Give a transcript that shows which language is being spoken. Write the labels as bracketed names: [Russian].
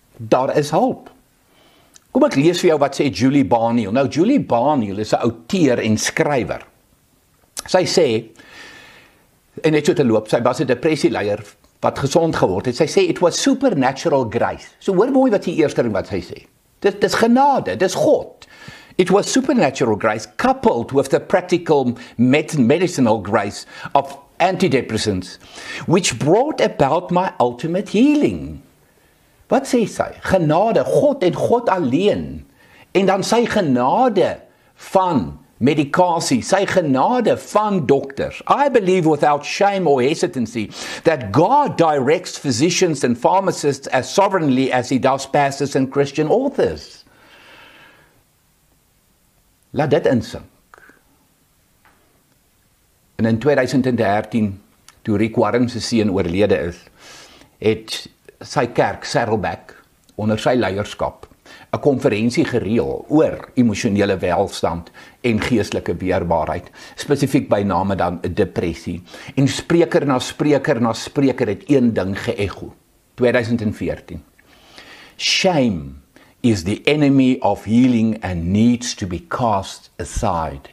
[Afrikaans] Daar is hulp. Kom, ek lees vir jou wat sê Julie Barneel. Nou, Julie Barneel is 'n outeur en skrywer. Sy sê, en net so te loop, sy was 'n depressieleier wat gezond geword het. Sy sê, [English] it was supernatural grace. [Afrikaans] So hoor mooi wat die eerste ding wat sy sê. Dis genade, dis God. [English] It was supernatural grace coupled with the practical medicinal grace of antidepressants, which brought about my ultimate healing. [Afrikaans] Wat sê sy? Genade, God en God alleen. En dan sy genade van medikasie, sy genade van dokters. [English] I believe without shame or hesitancy that God directs physicians and pharmacists as sovereignly as he does pastors and Christian authors. [Afrikaans] Laat dit insink. En in 2013, toe Rick Warren se seun oorlede is, het sy kerk, Saddleback, onder sy leierskap, 'n konferensie gereël oor emosionele welstand en geestelike weerbaarheid, spesifiek by name dan depressie. En spreker na spreker na spreker het een ding geëcho. 2014. [English] Shame is the enemy of healing and needs to be cast aside.